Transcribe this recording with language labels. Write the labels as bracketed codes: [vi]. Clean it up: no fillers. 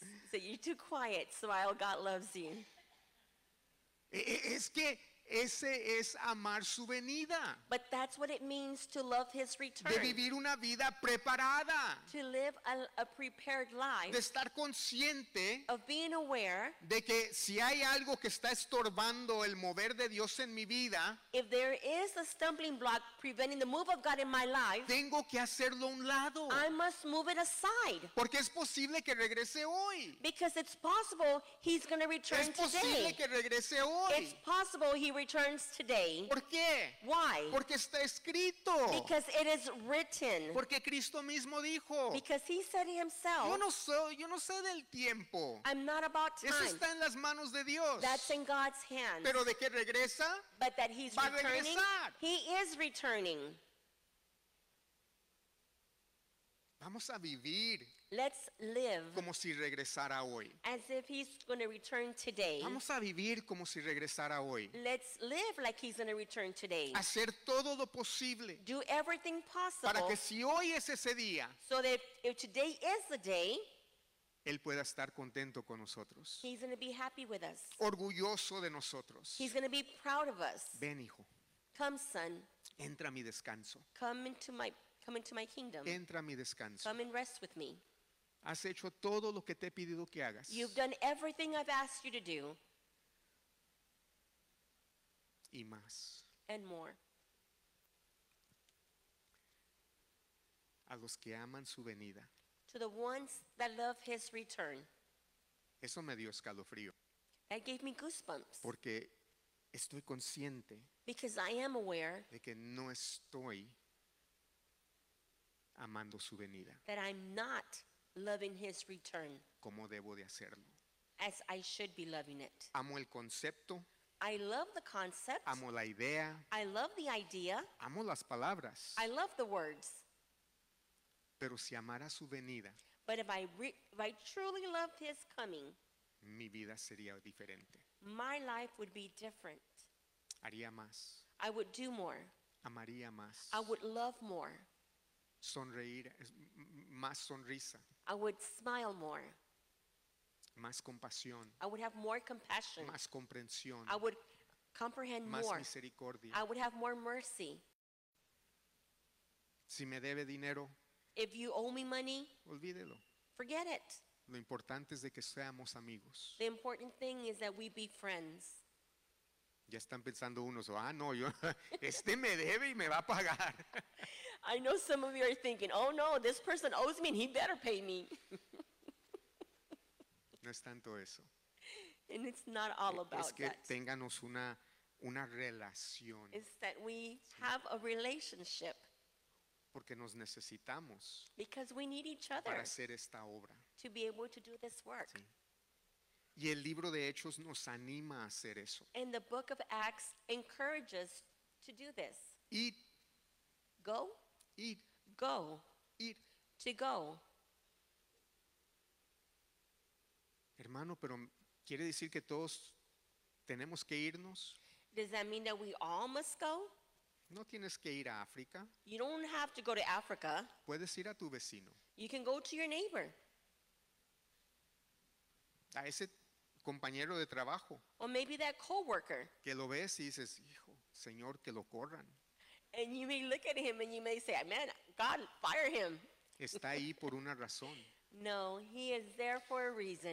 [en] So you're too quiet, smile, God loves you. [es] Es que ese es amar su venida. [en] But that's what it means to love his return. [es] De vivir una vida preparada. [en] To live a prepared life. [es] De estar consciente. [en] Of being aware. [es] De que si hay algo que está estorbando el mover de Dios en mi vida. [en] If there is a stumbling block preventing the move of God in my life. [es] Tengo que hacerlo a un lado. [en] I must move it aside. [es] Porque es posible que regrese hoy. [en] Because it's possible he's going to return today. [es] Es posible que regrese hoy. [en] It's possible he returns today. [es] ¿Por qué? [en] Why? [es] Porque está escrito. [en] Because it is written. [es] Porque Cristo mismo dijo. [en] Because he said himself. [es] Yo no sé del tiempo. [en] I'm not about time. [es] Eso está en las manos de Dios. [en] That's in God's hands. [es] Pero de que regresa. [en] But that he's [es] va [en] returning. [es] A regresar. [en] He is returning. [es] Vamos a vivir. [en] Let's live [es] como si regresara hoy. [en] As if he's going to return today. [es] Vamos a vivir como si regresara hoy. [en] Let's live like he's going to return today. [es] Hacer todo lo posible. [en] Do everything possible. [es] Para que si hoy es ese día. [en] So that if today is the day. [es] Él pueda estar contento con nosotros. [en] He's going to be happy with us. [es] Orgulloso de nosotros. [en] He's going to be proud of us. [es] Ven, hijo. [en] Come, son. [es] Entra a mi descanso. [en] Come into my kingdom. [es] Entra a mi descanso. [en] Come and rest with me. [es] Has hecho todo lo que te he pedido que hagas. [en] You've done everything I've asked you to do. [es] Y más. [en] And more. [es] A los que aman su venida. [en] To the ones that love his return. [es] Eso me dio escalofrío. [en] That gave me goosebumps. [es] Porque estoy consciente. [en] Because I am aware. [es] De que no estoy amando su venida. [en] That I'm not loving his return. [es] ¿Cómo debo de hacerlo? [en] As I should be loving it. [es] Amo el concepto. [en] I love the concept. [es] Amo la idea. [en] I love the idea. [es] Amo las palabras. [en] I love the words. [es] Pero si amara su venida. [en] But if I truly loved his coming. [es] Mi vida sería diferente. [en] My life would be different. [es] Haría más. [en] I would do more. [es] Amaría más. [en] I would love more. [es] Sonreír, más sonrisa. [en] I would smile more. [es] más compasión, [en] I would have more compassion, [es] más comprensión, [en] I would comprehend [es] más [en] more, [es] misericordia, [en] I would have more mercy. [es] Si me debe dinero, [en] if you owe me money, [es] olvídelo, [en] forget it. [es] Lo importante es de que seamos amigos. [en] The important thing is that we be friends. [es] Ya están pensando unos, ah, no, yo, este me debe y me va a pagar. [en] I know some of you are thinking, oh no, this person owes me and he better pay me. [es] No es tanto eso. [en] And it's not all about [es] es que [en] that. [es] Ténganos una relación. [en] It's that we have a relationship. [es] Porque nos necesitamos. [en] Because we need each other. [es] Para hacer esta obra. [en] To be able to do this work. [es] Sí. Y el libro de Hechos nos anima a hacer eso. [en] And the book of Acts encourages to do this. Eat. Go. Eat. Go. Eat. To go. [es] Hermano, pero ¿quiere decir que todos tenemos que irnos? [en] Does that mean that we all must go? [es] No tienes que ir a África. [en] You don't have to go to Africa. [es] Puedes ir a tu vecino. [en] You can go to your neighbor. [es] A ese compañero de trabajo. [en] Or maybe that coworker. [es] Que lo ves y dices, hijo, Señor, que lo corran. [en] And you may look at him and you may say, man, God, fire him. [es] Está ahí por una razón. [en] No, he is there for a reason.